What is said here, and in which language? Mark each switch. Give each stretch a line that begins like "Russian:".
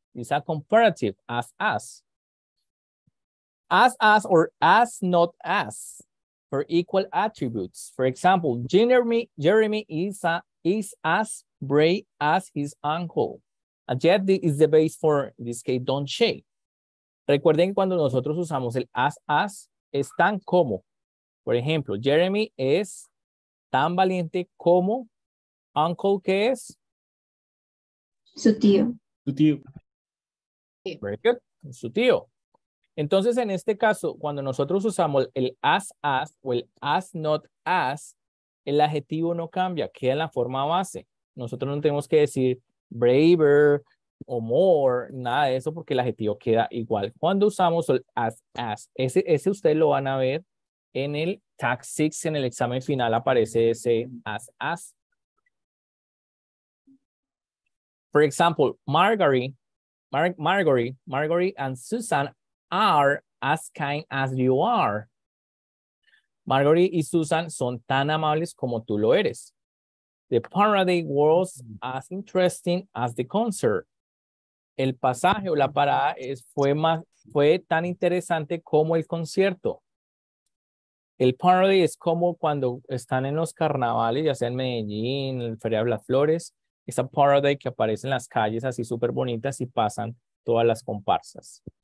English: It's a comparative, as. As or as not as, for equal attributes. For example, Jeremy is as brave as his uncle. And yet is the base for, in this case, don't shake.
Spanish: Recuerden que cuando nosotros usamos el as, es tan como. Por ejemplo, Jeremy es tan valiente como Uncle, ¿qué es? Su tío.
English: Very good.
Spanish: Su tío. Entonces, en este caso, cuando nosotros usamos el as o el as not as, el adjetivo no cambia, queda en la forma base. Nosotros no tenemos que decir braver o more, nada de eso, porque el adjetivo queda igual. Cuando usamos el as, ese ustedes lo van a ver en el tag 6, en el examen final aparece ese as.
English: For example, Marguerite and Susan are as kind as you are.
Spanish: Marguerite y Susan son tan amables como tú lo eres.
English: The parade was as interesting as the concert.
Spanish: El pasaje o la parada fue tan interesante como el concierto. El parade es como cuando están en los carnavales, ya sea en Medellín, en Feria de las Flores, esa parade que aparece en las calles así súper bonitas y pasan todas las comparsas.